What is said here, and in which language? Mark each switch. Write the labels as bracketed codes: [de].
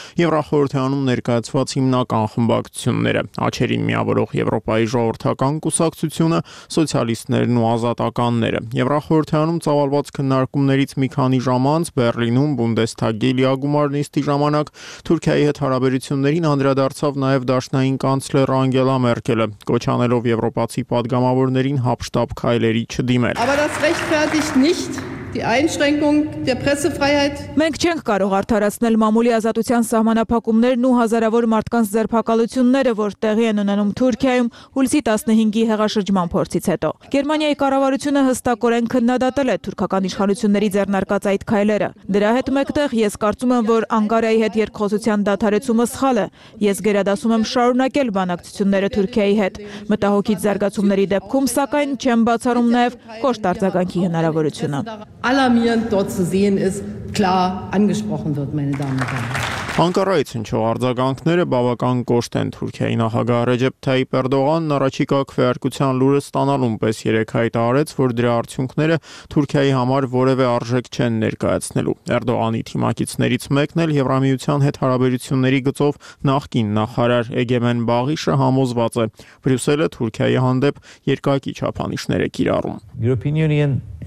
[hy] Եվրախորհրդարանում ներկայացված հիմնական խմբակցությունները՝ աչերին միավորող Եվրոպայի ժողովրդական կուսակցությունը, սոցիալիստներն ու ազատականները։ Եվրախորհրդարանում ծավալված քննարկումներից մի քանի ժամ անց Բեռլինում Բունդեսթագի լիագումարնիստի ժամանակ Թուրքիայի հետ հարաբերություններին անդրադարձավ նաև դաշնային կանցլեր Անգելա Մերկելը, կոչանելով եվրոպացի պատգամավորներին հապշտապ քայլերի չդիմել։ [de] Die Einschränkung der Pressefreiheit. [hy] Մենք չենք կարող արդարացնել մամուլի ազատության սահմանափակումներն ու հազարավոր մարդկանց ձերբակալությունները, որ տեղի են ունենում Թուրքիայում հուլիսի 15-ի հեղաշրջման փորձից հետո։ Գերմանիայի կառավարությունը հստակորեն քննադատել է թուրքական իշխանությունների ձեռնարկած այդ քայլերը։ Դրա հետ մեկտեղ ես կարծում եմ, որ Անկարայի հետ երկխոսության դադարեցումը սխալ է։ Ես գերադասում եմ շարունակել բանակցությունները Թուրքիայի հետ։ Մտահոգից զարգացումների դեպքում, սակայն, չեմ բացառում նաև կոշտ արձագանքի հնարավորությունը։ [de] Alarmierend dort zu sehen ist, klar angesprochen wird, meine Damen und Herren. [hy] Անկարայից հնչող արձագանքները բավական կոշտ են։ Թուրքիայի նախագահ Ռեջեփ Թայիփ Էրդողանն առաջիկա քվեարկության լուրը ստանալուն պես երեք հայտարարեց, որ դրա արդյունքները Թուրքիայի համար որևէ արժեք չեն ներկայացնելու։ Էրդողանի թիմակիցներից մեկն էլ Եվրամիության հետ հարաբերությունների գծով նախկին նախարար Էգեմեն Բաղիշը համոզված է, Բրյուսելը Թուրքիայի հանդեպ երկակի չափանիշներ է կիրառում։